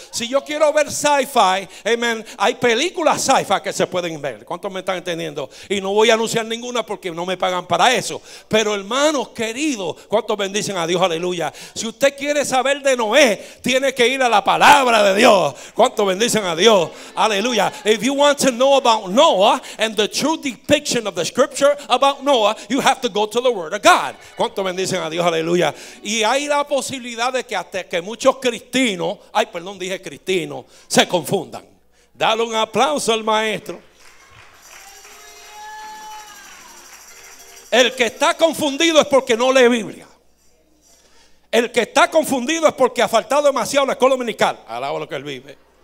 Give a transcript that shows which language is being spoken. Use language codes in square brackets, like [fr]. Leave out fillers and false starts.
[es] Si yo quiero ver sci-fi, amén, hay películas sci-fi que se pueden ver. ¿Cuánto me están entendiendo? Y no voy a anunciar ninguna porque no me pagan para eso. Pero hermanos queridos, ¿cuánto bendicen a Dios? Aleluya. Si usted quiere saber de Noé, tiene que ir a la palabra de Dios. ¿Cuánto bendicen a Dios? Aleluya. [en] If you want to know about Noah and the true depiction of the scripture about Noah, you have to go to the word of God. [es] ¿Cuánto bendicen a Dios? Aleluya. Y hay la posibilidad de que hasta que muchos cristinos, ay perdón, dije cristinos, se confundan. Dale un aplauso al maestro. El que está confundido es porque no lee Biblia. El que está confundido es porque ha faltado demasiado la escuela dominical. Alaba lo que él vive.